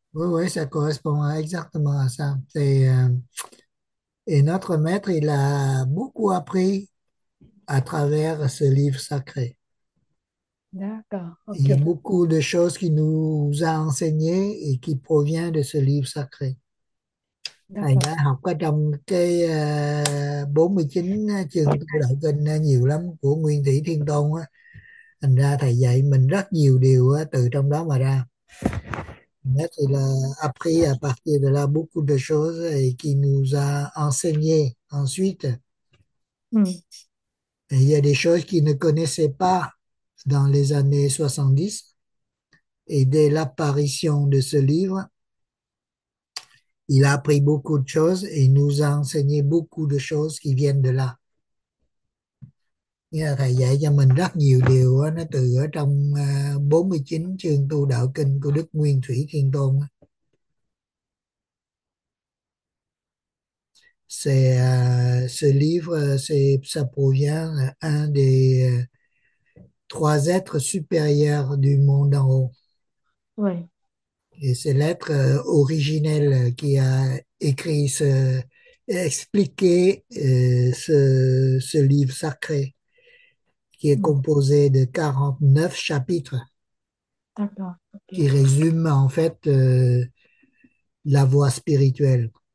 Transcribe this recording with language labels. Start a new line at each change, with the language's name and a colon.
French: Oui, oui, ça correspond exactement à ça. Et notre maître, il a beaucoup appris à travers ce livre sacré. D'accord. Okay. Il y a beaucoup de choses qu'il nous a enseignées et qui proviennent de ce livre sacré.
Vietnamese: Anh đã học ở trong cái 49 trường tu đạo kinh nhiều lắm của Nguyên Thủy Thiên Tôn á, thành ra thầy dạy mình rất nhiều điều từ trong đó mà ra. Đó thì là
French: appris à partir de là beaucoup de choses et qui nous a enseigné ensuite. Il y a des choses qu'il ne connaissait pas dans les années 70 et dès l'apparition de ce livre. Il a appris beaucoup de choses et nous a enseigné beaucoup de choses qui viennent de là.
Vietnamese: Thầy dạy cho mình rất nhiều điều nó từ ở trong 49 chương tu đạo kinh của Đức Nguyên Thủy Thiên Tôn.
French: C'est ce livre, c'est ça provient un des trois êtres supérieurs du monde en haut. Oui. Et c'est l'être originel qui a écrit, expliqué ce livre sacré qui est composé de 49 chapitres qui résument en fait la voie spirituelle.